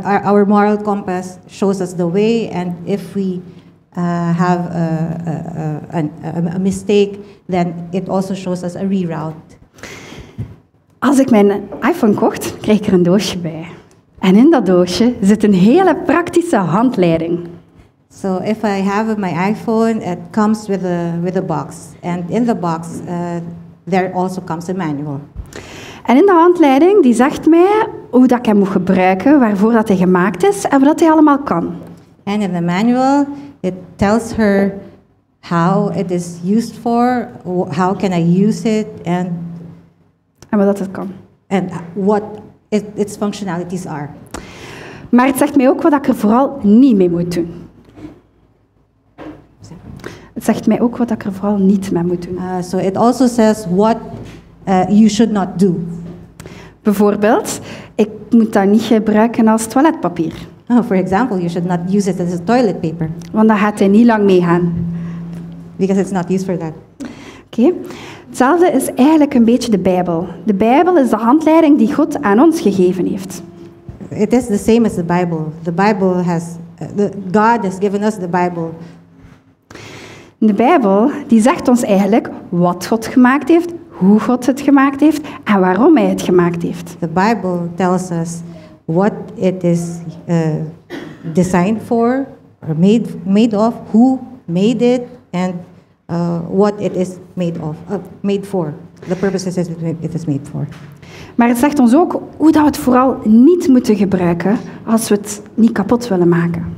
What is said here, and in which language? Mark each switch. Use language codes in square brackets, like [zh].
[en] Our moral compass shows us the way, and if we have a mistake, then it also shows us a reroute. [nl] Als ik mijn iPhone kocht, kreeg ik er een doosje bij. En in dat doosje zit een hele praktische handleiding. [en] So if I have my iPhone, it comes with a box. And in the box, there also comes a manual. [nl] En in de handleiding, die zegt mij hoe dat ik hem moet gebruiken, waarvoor dat hij gemaakt is en wat dat hij allemaal kan. [en] And in the manual, it tells her how it is used for, how can I use it, [nl] en wat dat het kan. [en] And what its functionalities are. [nl] Maar het zegt mij ook wat ik er vooral niet mee moet doen. Het zegt mij ook wat ik er vooral niet mee moet doen. [en] So it also says what you should not do. [nl] Bijvoorbeeld, ik moet dat niet gebruiken als toiletpapier. [en] Oh, for example, you should not use it as a toilet paper. [nl] Want dan gaat hij niet lang meegaan. [en] Because it's not used for that. Oké. [nl] Hetzelfde is eigenlijk een beetje de Bijbel. De Bijbel is de handleiding die God aan ons gegeven heeft. [en] It is the same as the Bible. The Bible has God has given us the Bible. [nl] De Bijbel die zegt ons eigenlijk wat God gemaakt heeft, hoe God het gemaakt heeft en waarom hij het gemaakt heeft. [en] The Bible tells us what it is designed for or made of, who made it and what it is made of, made for. The purposes it is made for. [nl] Maar het zegt ons ook hoe dat we het vooral niet moeten gebruiken als we het niet kapot willen maken.